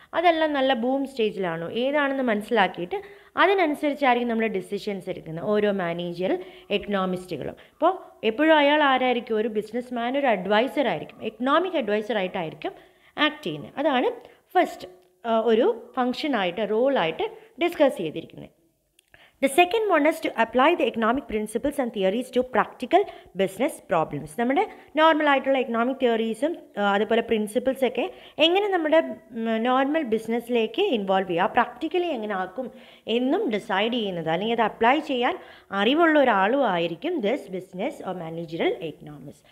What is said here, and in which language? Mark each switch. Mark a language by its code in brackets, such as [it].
[ml] അതെല്ലാം നല്ല ബൂം സ്റ്റേജിലാണോ ഏതാണെന്ന് മനസ്സിലാക്കിയിട്ട് അതിനനുസരിച്ചായിരിക്കും നമ്മുടെ ഡിസിഷൻസ് എടുക്കുന്നത് ഓരോ മാനേജർ എക്കണോമിസ്റ്റുകളും. ഇപ്പോൾ എപ്പോഴും അയാൾ ആരായിരിക്കും, ഒരു ബിസിനസ് മാൻ, ഒരു അഡ്വൈസറായിരിക്കും, എക്കണോമിക് അഡ്വൈസറായിട്ടായിരിക്കും ആക്ട് ചെയ്യുന്നത്. അതാണ് ഫസ്റ്റ് ഒരു ഫങ്ഷനായിട്ട് റോളായിട്ട് ഡിസ്കസ് ചെയ്തിരിക്കുന്നത്. [en] The second one is to apply the economic principles and theories to practical business problems. [ml] നമ്മുടെ നോർമൽ ആയിട്ടുള്ള എക്കണോമിക് തിയറീസും അതുപോലെ പ്രിൻസിപ്പിൾസൊക്കെ എങ്ങനെ നമ്മുടെ നോർമൽ ബിസിനസ്സിലേക്ക് ഇൻവോൾവ് ചെയ്യുക, പ്രാക്ടിക്കലി എങ്ങനെ ആക്കും എന്നും ഡിസൈഡ് ചെയ്യുന്നത്, അല്ലെങ്കിൽ അത് അപ്ലൈ ചെയ്യാൻ അറിവുള്ള ഒരാളും ആയിരിക്കും [en] This business or managerial economics.